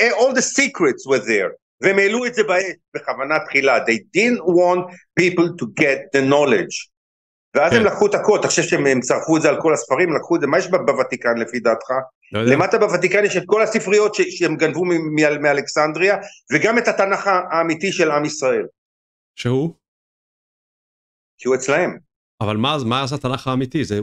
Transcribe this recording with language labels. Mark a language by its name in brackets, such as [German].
[English] All the secrets were there. [Hebrew] והם העלו את זה באש בכוונה תחילה. [English] They didn't want people to get the knowledge. [Hebrew] ואז כן. הם לקחו את הכל, אתה חושב שהם צרפו את זה על כל הספרים, לקחו את זה, מה יש בוותיקן לפי דעתך? לא יודע. למטה בוותיקן יש את כל הספריות שהם גנבו מאלכסנדריה, וגם את התנך האמיתי של עם ישראל. שהוא? כי הוא אצלהם. אבל מה עשה התנך האמיתי?